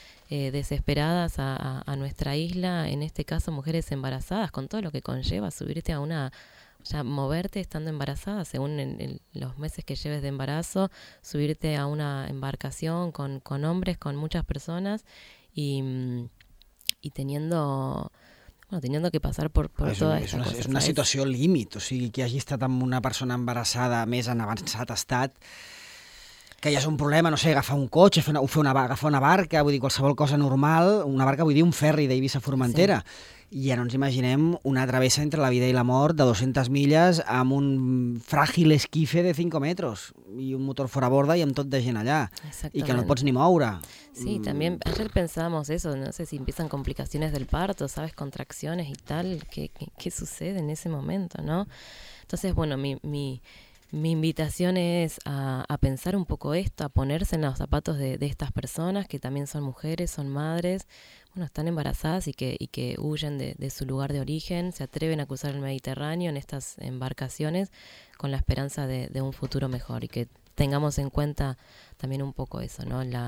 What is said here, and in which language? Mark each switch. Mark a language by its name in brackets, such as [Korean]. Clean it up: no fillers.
[Spanish] desesperadas a nuestra isla, en este caso mujeres embarazadas, con todo lo que conlleva subirte a una, o sea, moverte estando embarazada, según los meses que lleves de embarazo, subirte a una embarcación con hombres, con muchas personas, y teniendo, bueno, teniendo que pasar por toda esta cosa. [Catalan] És una situació límit, o sigui, que hagi estat amb una persona embarassada més en avançat estat, que ja és un problema, no sé, agafar un cotxe, agafar una barca, vull dir, qualsevol cosa normal, una barca, vull dir, un ferri d'Eivissa a Formentera. Sí. I ja no ens imaginem una travessa entre la vida i la mort de 200 milles amb un fràgil esquife de 5 metres i un motor fora borda i amb tot de gent allà. Exactament. I que no et pots ni moure. [Spanish] Sí, també ayer pensábamos eso, no sé si empiezan complicaciones del parto, sabes, contracciones y tal, ¿qué sucede en ese momento, no? Entonces, bueno, mi invitación es a pensar un poco esto, a ponerse en los zapatos de estas personas que también son mujeres, son madres, bueno, están embarazadas y que huyen de su lugar de origen, se atreven a cruzar el Mediterráneo en estas embarcaciones con la esperanza de un futuro mejor, y que tengamos en cuenta también un poco eso, ¿no?